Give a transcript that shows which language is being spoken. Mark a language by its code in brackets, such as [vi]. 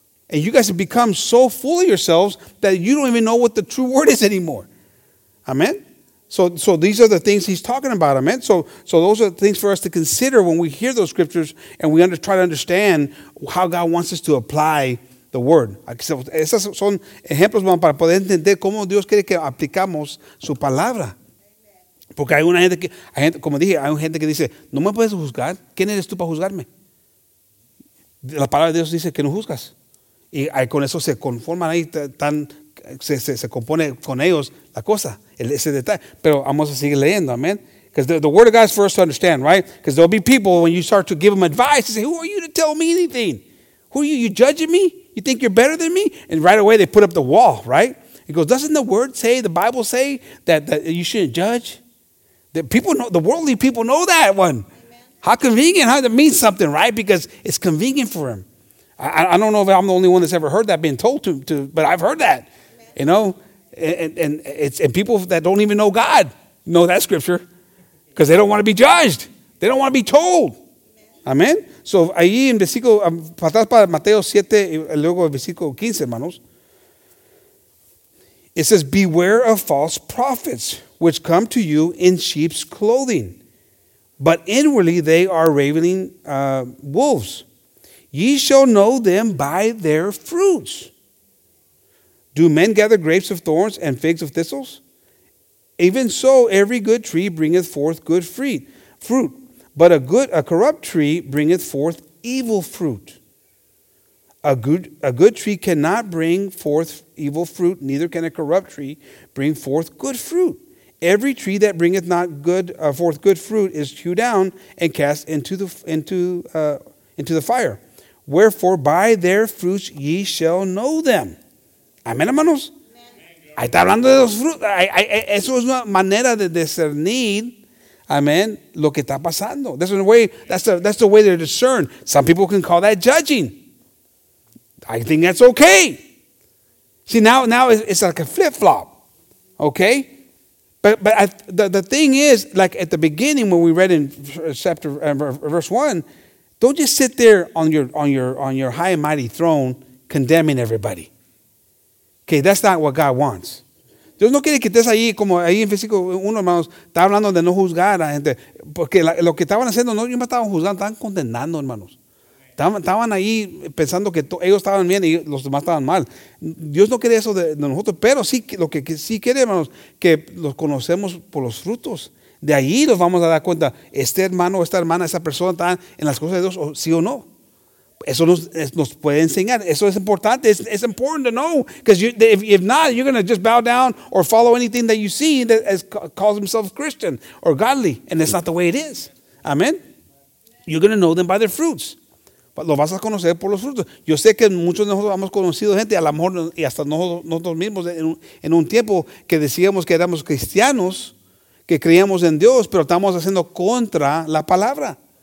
[en] And you guys have become so full of yourselves that you don't even know what the true word is anymore. Amen? So these are the things he's talking about, amen? So those are the things for us to consider when we hear those scriptures and we try to understand how God wants us to apply the word. [es] Esos son ejemplos para poder entender cómo Dios quiere que aplicamos su palabra. Porque hay una gente que, hay gente que dice, no me puedes juzgar. ¿Quién eres tú para juzgarme? La palabra de Dios dice que no juzgas. Y con eso se conforman ahí tan... Se compone con ellos la cosa, ese detalle. Pero vamos a seguir leyendo, amen. [en] Because the word of God is for us to understand, right? Because there'll be people when you start to give them advice, they say, who are you to tell me anything? Who are you? You judging me? You think you're better than me? And right away they put up the wall, right? He goes, doesn't the word say, the Bible say, that you shouldn't judge? That people know, the worldly people know that one. Amen. How convenient, how that means something, right? Because it's convenient for him. I don't know if I'm the only one that's ever heard that being told to, but I've heard that. You know, and people that don't even know God know that scripture because they don't want to be judged. They don't want to be told. Amen. [es] So, ahí en versículo, atrás para Mateo 7, luego en versículo 15, hermanos. [en] It says, beware of false prophets which come to you in sheep's clothing, but inwardly they are ravening wolves. Ye shall know them by their fruits. Do men gather grapes of thorns and figs of thistles? Even so, every good tree bringeth forth good fruit, but a corrupt tree bringeth forth evil fruit. A good tree cannot bring forth evil fruit, neither can a corrupt tree bring forth good fruit. Every tree that bringeth not forth good fruit is hewed down and cast into the fire. Wherefore, by their fruits ye shall know them. [es] Amén, hermanos. Ahí está hablando de los frutos. Eso es una manera de discernir, amén, lo que está pasando. [en] That's the way they discern. Some people can call that judging. I think that's okay. See, now it's like a flip-flop, okay? But the thing is, like at the beginning when we read in verse 1, don't just sit there on your high and mighty throne condemning everybody. Okay, that's not what God wants. [es] Dios no quiere que estés ahí como ahí en físico uno, hermanos, está hablando de no juzgar a gente. Porque lo que estaban haciendo, no, yo me estaba juzgando, estaban condenando, hermanos. Estaban ahí pensando que ellos estaban bien y los demás estaban mal. Dios no quiere eso de nosotros, pero sí, lo que sí quiere, hermanos, que los conocemos por los frutos. De ahí nos vamos a dar cuenta, este hermano o esta hermana, esa persona está en las cosas de Dios, sí o no. Eso nos puede enseñar. Eso es importante. [en] It's important to know. Because if not, you're going to just bow down or follow anything that you see that calls himself Christian or godly. And that's not the way it is. Amen. You're going to know them by their fruits. [es] Lo vas a conocer por los frutos. Yo sé que muchos de nosotros hemos conocido gente, a lo mejor, y hasta nosotros mismos, en un tiempo que decíamos que éramos cristianos, que creíamos en Dios, pero estamos haciendo contra la palabra.